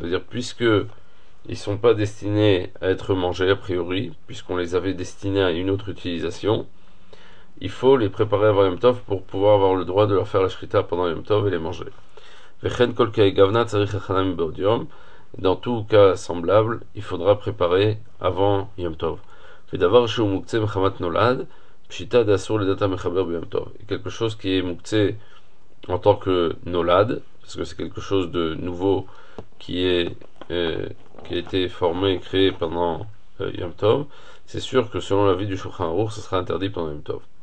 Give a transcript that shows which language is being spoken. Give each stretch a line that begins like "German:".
French: C'est-à-dire puisque ils sont pas destinés à être mangés a priori, puisqu'on les avait destinés à une autre utilisation, il faut les préparer avant yom tov pour pouvoir avoir le droit de leur faire la shrita pendant yom tov et les manger.
Hebrew: Vechen kol kei gavna tzarich hachanam b'od yom.
French: Dans tout cas semblable, il faudra préparer avant yom tov.
Hebrew: ודבר שהוא מוקצה מחמת נולד, פשיטה דאסור לדעת המחבר ביום טוב.
French: Quelque chose qui est מוקצה en tant que נולד, parce que c'est quelque chose de nouveau qui a été formé et créé pendant Yom Tov, c'est sûr que selon l'avis du Shulchan Aruch, ce sera interdit pendant Yom Tov.